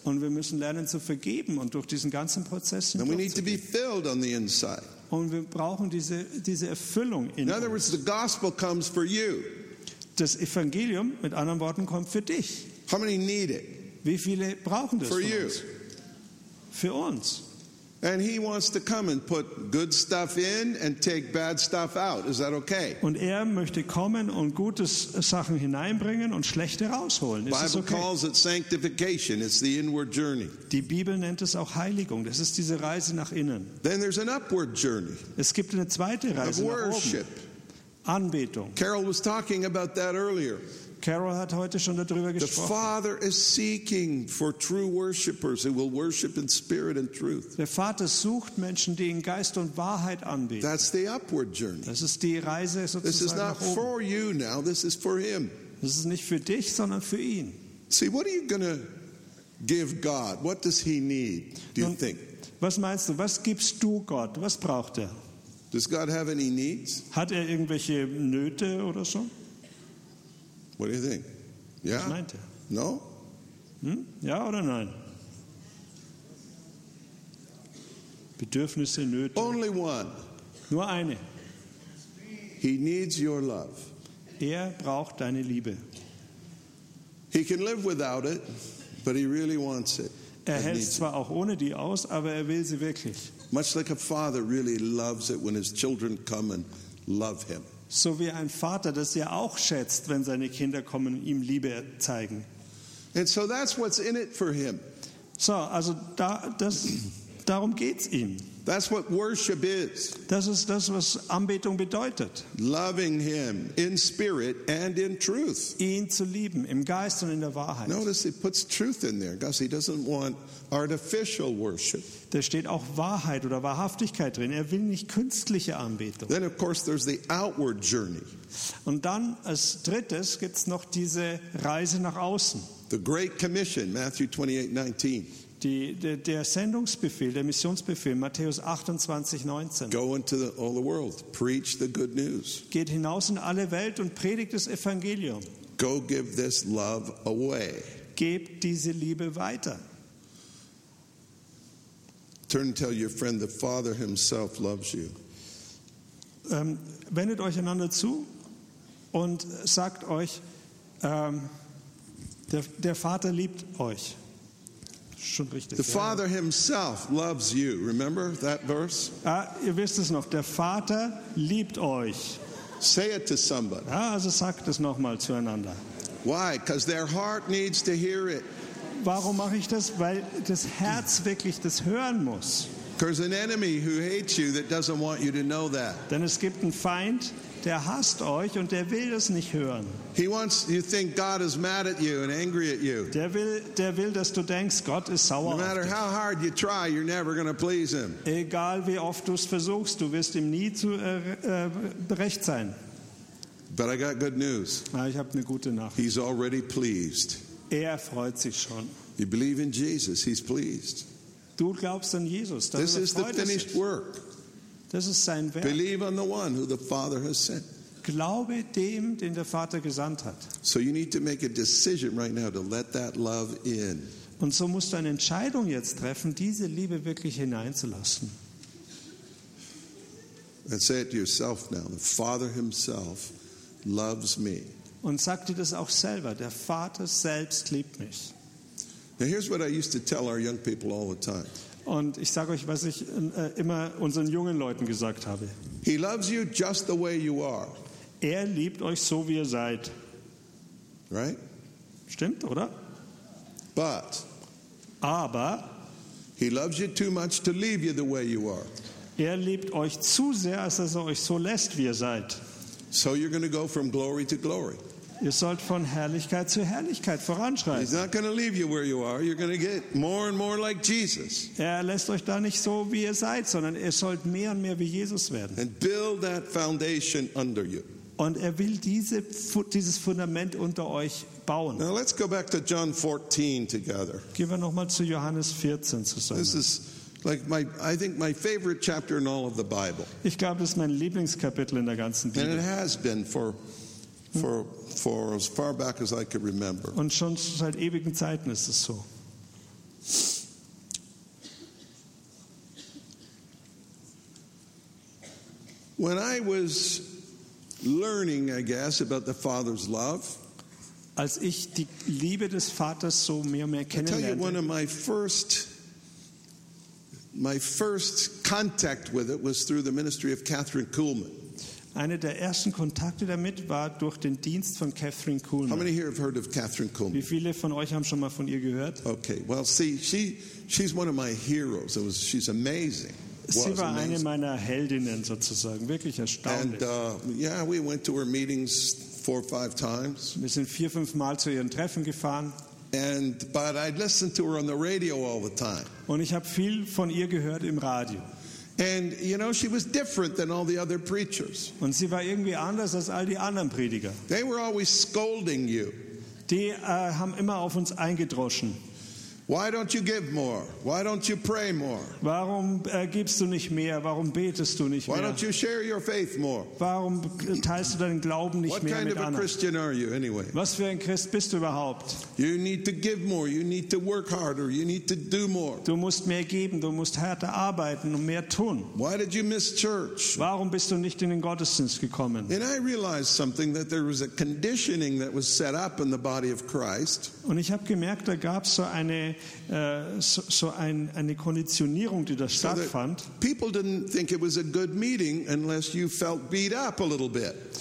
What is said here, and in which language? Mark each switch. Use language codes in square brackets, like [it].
[de] Und wir müssen lernen zu vergeben und durch diesen ganzen Prozess hindurch. [en] And we need to be filled on the inside. [de] Und wir brauchen diese Erfüllung in uns. [en] In other words, the gospel comes for you. [de] Das Evangelium, mit anderen Worten, kommt für dich. [en] How many need it? [de] Wie viele brauchen das [en] for [de] von [en] you. [de] Uns? Für uns. [en] And he wants to come and put good stuff in and take bad stuff out. Is that okay? [de] Und er möchte kommen und gute Sachen hineinbringen und schlechte rausholen. Ist [en] Bible [de] es okay? [en] Calls it sanctification. It's the inward journey. [de] Die Bibel nennt es auch Heiligung. Das ist diese Reise nach innen. [en] Then there's an upward journey. [de] Es gibt eine zweite Reise [en] of worship. [de] Nach oben. Anbetung. [en] Carol was talking about that earlier. [de] Carol hat heute schon darüber gesprochen. [en] The Father is seeking for true worshipers who will worship in spirit and truth. [de] Der Vater sucht Menschen, die in Geist und Wahrheit anbeten. [en] That's the upward journey. [de] Das ist die Reise sozusagen nach oben. [en] This is not for you now, this is for him. [de] Das ist nicht für dich, sondern für ihn. [en] See, what are you going to give God? What does he need, do you think? [de] Was meinst du, was gibst du Gott? Was braucht er? [en] Does God have any needs? [de] Hat er irgendwelche Nöte oder so? [en] What do you think? Yeah? No? [de] Ja oder nein? Bedürfnisse, Nöte. [en] Only one. [de] Nur eine. [en] He needs your love. [de] Er braucht deine Liebe. [en] He can live without it, but he really wants it. [de] Er hält es zwar auch ohne die aus, aber er will sie wirklich. [en] Much like a father really loves it when his children come and love him. [de] So wie ein Vater, das ja auch schätzt, wenn seine Kinder kommen und ihm Liebe zeigen. [en] And so that's what's in it for him. [de] So, also da, das, darum geht's ihm. [en] That's what worship is. [de] Das ist das, was Anbetung bedeutet. [en] Loving him in spirit and in truth. [de] Ihn zu lieben, im Geist und in der Wahrheit. [en] Notice it puts truth in there, because he doesn't want artificial worship. [de] Da steht auch Wahrheit oder Wahrhaftigkeit drin. Er will nicht künstliche Anbetung. [en] Then of course there's the outward journey. [de] Und dann als drittes gibt's noch diese Reise nach außen. [en] The Great Commission, Matthew 28:19. [de] Der Sendungsbefehl, der Missionsbefehl, Matthäus 28, 19. [en] Go into all the world, preach the good news. [de] Geht hinaus in alle Welt und predigt das Evangelium. [en] Go give this love away. [de] Gebt diese Liebe weiter. [en] Turn and tell your friend, the Father himself loves you. [de] Wendet euch einander zu und sagt euch, der Vater liebt euch. [en] The Father himself loves you. Remember that verse? [de] Ihr wisst es noch. Der Vater liebt euch. [en] Say it to somebody. [de] Ja, also sagt es noch mal zueinander. [en] Why? Because their heart needs to hear it. [de] Warum mache ich das? Weil das Herz wirklich das hören muss. [en] There's an enemy who hates you that doesn't want you to know that. [de] Denn es gibt einen Feind, der hasst euch und der will das nicht hören. [en] He wants you think God is mad at you and angry at you. [de] Der will, dass du denkst, Gott ist sauer auf dich. [en] No matter how hard you try, you're never going to please him. [de] Egal wie oft du es versuchst, du wirst ihm nie zu recht sein. [en] But I got good news. [de] Ich habe eine gute Nachricht. [en] He's already pleased. [de] Er freut sich schon. [en] You believe in Jesus, he's pleased. [de] Du glaubst an Jesus, dann [en] This is the finished work. [de] Das ist sein Werk. [en] Believe on the one who the Father has sent. [de] Glaube dem, den der Vater gesandt hat. [en] So you need to make a decision right now to let that love in. [de] Und so musst du eine Entscheidung jetzt treffen, diese Liebe wirklich hineinzulassen. [en] And say it to yourself now, the Father himself loves me. [de] Und sagte das auch selber, der Vater selbst liebt mich. [en] Now here's what I used to tell our young people all the time. [de] Und ich sage euch, was ich immer unseren jungen Leuten gesagt habe. [en] He loves you just the way you are. [de] Er liebt euch so, wie ihr seid. [en] Right? [de] Stimmt, oder? [en] But. [de] Aber. [en] He loves you too much to leave you the way you are. [de] Er liebt euch zu sehr, als dass er euch so lässt, wie ihr seid. [en] So you're going to go from glory to glory. [de] Ihr sollt von Herrlichkeit zu Herrlichkeit voranschreiten. [en] He's not going to leave you where you are. You're going to get more and more like Jesus. [de] Er lässt euch da nicht so, wie ihr seid, sondern ihr sollt mehr und mehr wie Jesus werden. [en] And build that foundation under you. [de] Und er will dieses Fundament unter euch bauen. [en] Now let's go back to John 14 together. [de] Gehen wir noch mal zu Johannes 14 zusammen. [en] This is like I think my favorite chapter in all of the Bible. [de] Ich glaube, das ist mein Lieblingskapitel in der ganzen Bibel. [en] And it has been for as far back as I can remember. [de] Und schon seit ewigen Zeiten ist es so. [en] When I was learning, I guess, about the Father's love. [de] Als ich die Liebe des Vaters so mehr und mehr kennenlernte. [en] I'll tell you one of my first contact with it was through the ministry of Catherine Kuhlman. [de] Eine der ersten Kontakte damit war durch den Dienst von Catherine Kuhlman. [en] How many here have heard of Catherine Kuhlman? [de] Wie viele von euch haben schon mal von ihr gehört? [en] Okay, well, see, she's one of my heroes. She's amazing. [de] Sie war eine meiner Heldinnen sozusagen, wirklich erstaunlich. [en] And yeah, we went to her meetings 4 or 5 times. [de] Wir sind 4 [en] or [de] 5 Mal zu ihren Treffen gefahren. [en] But I listened to her on the radio all the time. [de] Und ich habe viel von ihr gehört im Radio. [en] And you know, she was different than all the other preachers. [de] Und sie war irgendwie anders als all die anderen Prediger. [en] They were always scolding you. [de] Die haben immer auf uns eingedroschen. [en] Why don't you give more? Why don't you pray more? [de] Warum gibst du nicht mehr? Warum betest du nicht mehr? [en] Why don't you share your faith more? [de] Warum teilst du deinen Glauben nicht mehr mit anderen? [en] What kind of a Christian are you anyway? [de] Was für ein Christ bist du überhaupt? [en] You need to give more. You need to work harder. You need to do more. [de] Du musst mehr geben. Du musst härter arbeiten und mehr tun. [en] Why did you miss church? [de] Warum bist du nicht in den Gottesdienst gekommen? [en] And I realized something, that there was a conditioning that was set up in the body of Christ. [de] Und ich habe gemerkt, da gab es so eine Konditionierung, die da stattfand. [en] People didn't think it was a good meeting unless you felt beat up a little bit.